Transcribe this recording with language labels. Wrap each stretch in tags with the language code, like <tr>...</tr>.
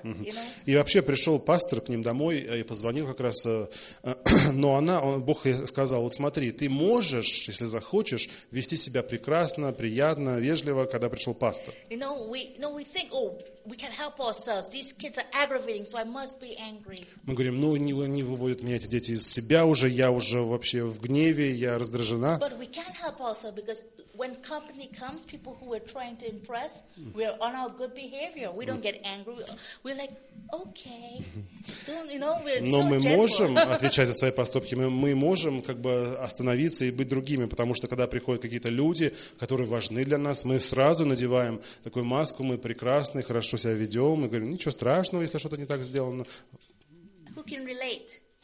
<en>You know?</en> <ru>И вообще пришел пастор к ним домой и позвонил как раз. Но она, Бог сказал: "Вот смотри, ты можешь, если захочешь, вести себя прекрасно, приятно, вежливо, когда пришел пастор."</ru> <en>You know, we think, "Oh, we can help ourselves. These kids are aggravating, so I must be angry."</en> <ru>Мы говорим: "Ну, не выводят меня эти дети из себя уже, я уже вообще в гневе, я раздражена."</ru> <en>But we can help ourselves, because when company comes, people who we're trying to impress, we're on our good behavior. We don't get angry. We're like, "Okay." Don't, you know, we're so gentle.</en> <ru>Но мы можем отвечать за свои поступки. Мы можем как бы остановиться и быть другими, потому что когда приходят какие-то люди, которые важны для нас, мы сразу надеваем такую маску, мы прекрасны, хорошо себя ведем, и говорим: "Ничего страшного, если что-то не так сделано."</ru> <en>Who can relate?</en>